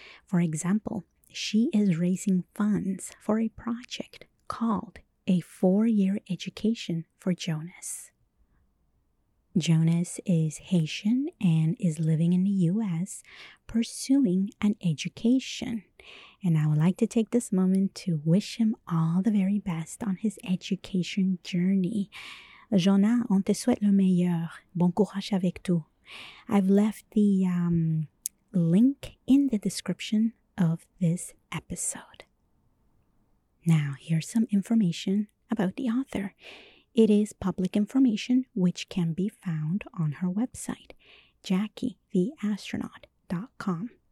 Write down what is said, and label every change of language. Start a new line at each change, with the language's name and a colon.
English: For example, she is raising funds for a project called A 4-Year Education for Jonas. Jonas is Haitian and is living in the U.S. pursuing an education. And I would like to take this moment to wish him all the very best on his education journey.
French: Jonas, on te souhaite le meilleur. Bon courage avec tout.
English: I've left the link in the description of this episode. Now, here's some information about the author. It is public information, which can be found on her website, JackieTheAstronaut.com.